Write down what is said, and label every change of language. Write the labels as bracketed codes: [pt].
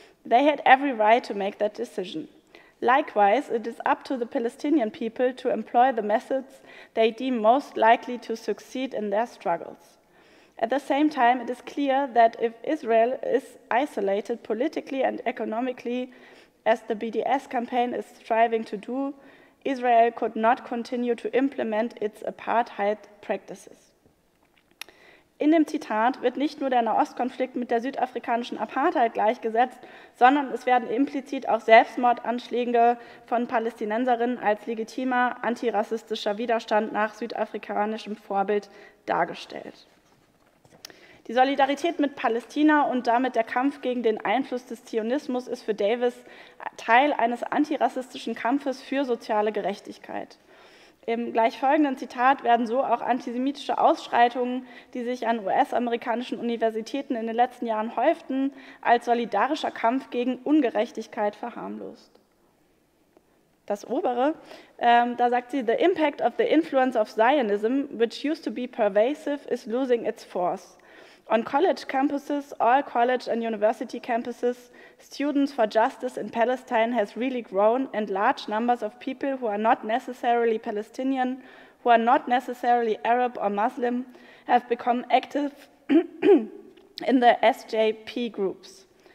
[en] They had every right to make that decision. Likewise, it is up to the Palestinian people to employ the methods they deem most likely to succeed in their struggles. At the same time, it is clear that if Israel is isolated politically and economically, as the BDS campaign is striving to do, Israel could not continue to implement its apartheid practices. [de] In dem Zitat wird nicht nur der Nahostkonflikt mit der südafrikanischen Apartheid gleichgesetzt, sondern es werden implizit auch Selbstmordanschläge von Palästinenserinnen als legitimer antirassistischer Widerstand nach südafrikanischem Vorbild dargestellt. Die Solidarität mit Palästina und damit der Kampf gegen den Einfluss des Zionismus ist für Davis Teil eines antirassistischen Kampfes für soziale Gerechtigkeit. Im gleich folgenden Zitat werden so auch antisemitische Ausschreitungen, die sich an US-amerikanischen Universitäten in den letzten Jahren häuften, als solidarischer Kampf gegen Ungerechtigkeit verharmlost. das obere, da sagt sie, [en] the impact of the influence of Zionism, which used to be pervasive, is losing its force. On college campuses, all college and university campuses, Students for Justice in Palestine has really grown, and large numbers of people who are not necessarily Palestinian, who are not necessarily Arab or Muslim, have become active in the SJP groups.